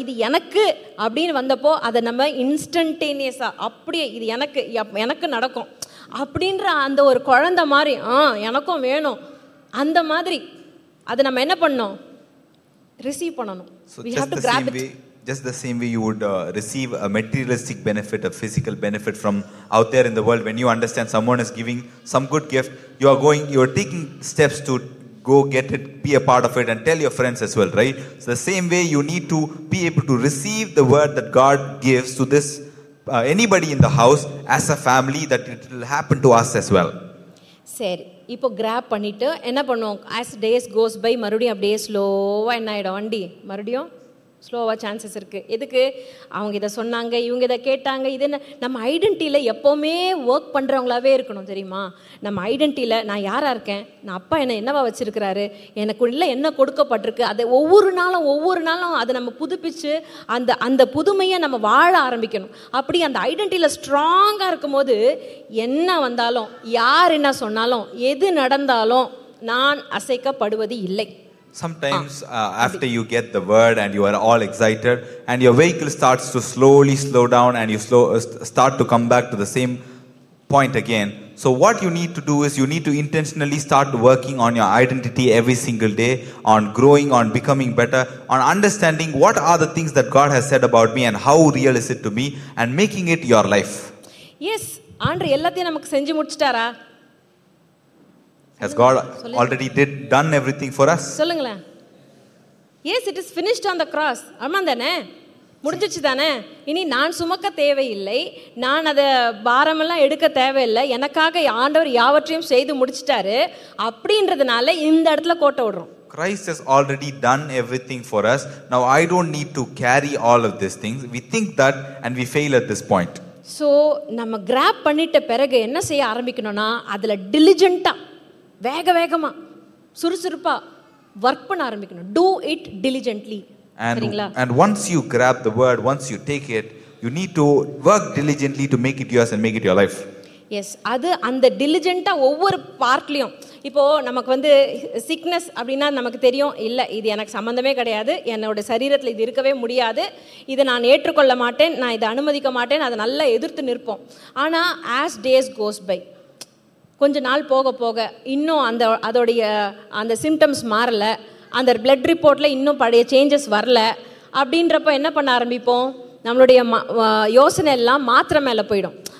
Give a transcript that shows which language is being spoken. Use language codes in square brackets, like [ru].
[ta] இது எனக்கு அப்படின்னு வந்தப்போ அதை நம்ம இன்ஸ்டன்டேனியஸா அப்படியே இது எனக்கு எனக்கு நடக்கும் அப்படின்ற அந்த ஒரு குழந்தை மாதிரி எனக்கும் வேணும் அந்த மாதிரி அதை நம்ம என்ன பண்ணோம், ரிசீவ் பண்ணணும். [en] Just the same way you would receive a materialistic benefit, a physical benefit from out there in the world, when you understand someone is giving some good gift, you are going, you are taking steps to go get it, be a part of it and tell your friends as well, right? So the same way you need to be able to receive the word that God gives to this anybody in the house as a family, that it will happen to us as well. [ta] Sir, இப்போ graph பண்ணிட்டு என்ன பண்ணுவோம், [en] as days goes by [ta] மறுபடியும் அப்படியே ஸ்லோவா என்ன ஆயிடும், வண்டி மறுபடியும் ஸ்லோவாக சான்சஸ் இருக்குது. எதுக்கு, அவங்க இதை சொன்னாங்க, இவங்க இதை கேட்டாங்க, இது என்ன, நம்ம ஐடென்டிட்டியில் எப்போவுமே ஒர்க் பண்ணுறவங்களாவே இருக்கணும் தெரியுமா. நம்ம ஐடென்டிட்டியில் நான் யாராக இருக்கேன், நான் அப்பா என்னை என்னவா வச்சுருக்கிறாரு, எனக்கு உள்ள என்ன கொடுக்கப்பட்டிருக்கு, அதை ஒவ்வொரு நாளும் ஒவ்வொரு நாளும் அதை நம்ம புதுப்பித்து அந்த அந்த புதுமையை நம்ம வாழ ஆரம்பிக்கணும். அப்படி அந்த ஐடென்டிட்டியில் ஸ்ட்ராங்காக இருக்கும் போது என்ன வந்தாலும், யார் என்ன சொன்னாலும், எது நடந்தாலும் நான் அசைக்கப்படுவது இல்லை. [en] Sometimes after you get the word and you are all excited and your vehicle starts to slowly slow down and you start to come back to the same point again. So what you need to do is you need to intentionally start working on your identity every single day, on growing, on becoming better, on understanding what are the things that God has said about me and how real is it to me, and making it your life. [ta] Yes, Andre, ellathiyum namakku senju mudichitara? [en] Has God already did done everything for us? [ta] சொல்லுங்கள. [en] Yes, it is finished on the cross. [ta] அம்மாதானே முடிஞ்சிச்சு தானே, இனி நான் சுமக்க தேவையில்லை, நான் அதை பாரமெல்லாம் எடுக்க தேவையில்லை, எனக்காக ஆண்டவர் யாவற்றையும் செய்து முடிச்சிட்டாரு அப்படின்றதுனால இந்த இடத்துல கோட்டை விடுறோம். [en] Christ has already done everything for us. Now I don't need to carry all of these things. We think that and we fail at this point. [ta] So நம்ம கிராப் பண்ணிட்ட பிறகு என்ன செய்ய ஆரம்பிக்கணும்னா, அதுல டிலிஜென்ட்டா வேக வேகமா சுறுசுறுப்பா வர்க் பண்ண ஆரம்பிக்கணும். [en] Do it diligently சரிங்களா. And once you grab the word, once you take it, you need to work diligently to make it yours and make it your life. [ta] Yes, அது அந்த டிலிஜென்ட்டா ஒவ்வொரு பார்ட்லயும். இப்போ நமக்கு வந்து சிக்னஸ் அப்படின்னா நமக்கு தெரியும், இல்லை இது எனக்கு சம்மந்தமே கிடையாது, என்னோட சரீரத்தில் இது இருக்கவே முடியாது, இதை நான் ஏற்றுக்கொள்ள மாட்டேன், நான் இதை அனுமதிக்க மாட்டேன், அதை நல்லா எதிர்த்து நிற்போம். ஆனால் [en] as days goes by [ta] கொஞ்ச நாள் போக போக இன்னும் அந்த அதோடைய அந்த சிம்டம்ஸ் மாறலை, அந்த பிளட் ரிப்போர்ட்டில் இன்னும் பழைய சேஞ்சஸ் வரல அப்படின்றப்ப என்ன பண்ண ஆரம்பிப்போம், நம்மளுடைய யோசனை எல்லாம் மாத்திரை மேலே போயிடும்.